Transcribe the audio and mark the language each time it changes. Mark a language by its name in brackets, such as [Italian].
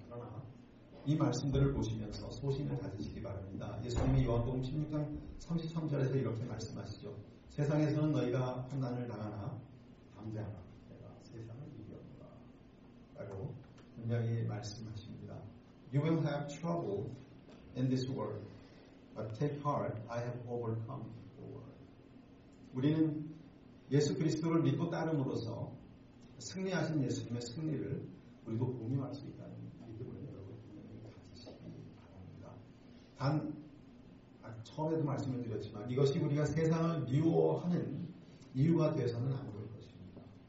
[Korean] 그러나 이 말씀들을 보시면서 소신을 가지시기 바랍니다. 예수님이 요한복음 16장 33절에서 이렇게 말씀하시죠. 세상에서는 너희가 환난을 당하나 담대하라. 내가 세상을 이겼노라. 라고 분명히 말씀하십니다. [English] You will have trouble in this world, but take heart, I have overcome the world. [Korean] 우리는 예수 그리스도를 믿고 따름으로써 승리하신 예수님의 승리를 우리도 공유할 수 있다는 믿음을 여러분이 가지시기 바랍니다. 단, 처음에도 말씀을 드렸지만 이것이 우리가 세상을 미워하는 이유가 돼서는 안 될 것입니다.